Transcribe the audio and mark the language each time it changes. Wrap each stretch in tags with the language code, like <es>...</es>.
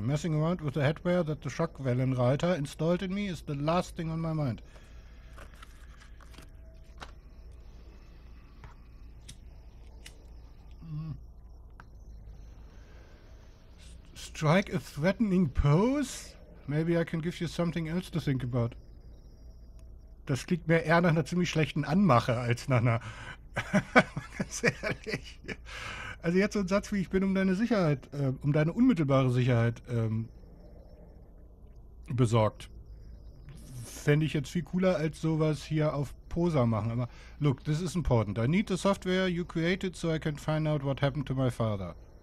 <en>Messing around with the headwear that the Schockwellenreiter installed in me is the last thing on my mind. Strike a threatening pose? Maybe I can give you something else to think about.</en> <de>Das klingt mehr eher nach einer ziemlich schlechten Anmache als nach einer... Ganz ehrlich. Also jetzt so ein Satz wie, ich bin um deine Sicherheit, um deine unmittelbare Sicherheit besorgt. Fände ich jetzt viel cooler als sowas hier auf Poser machen.</de> <en>Aber look, this is important. I need the software you created so I can find out what happened to my father.</en>